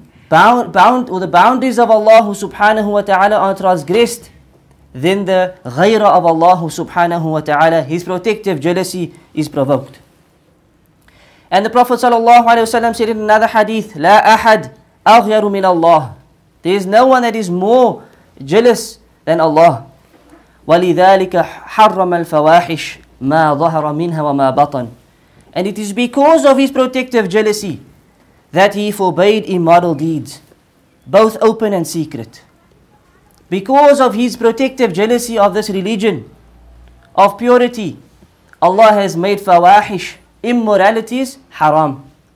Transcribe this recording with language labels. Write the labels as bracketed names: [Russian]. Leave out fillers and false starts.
[English] the boundaries of Allah subhanahu wa ta'ala are transgressed, then the ghayra of Allah subhanahu wa ta'ala, his protective jealousy, is provoked. And the Prophet sallallahu alayhi wa sallam said in another hadith, [Arabic] لا أحد أغير من الله. [English] There is no one that is more jealous than Allah. [Arabic] ولذلك حرم الفواحش ما ظهر منها وما بطن. [English] And it is because of his protective jealousy that he forbade immoral deeds, both open and secret. Because of his protective jealousy of this religion, of purity, Allah has made fawahish, immoralities, haram.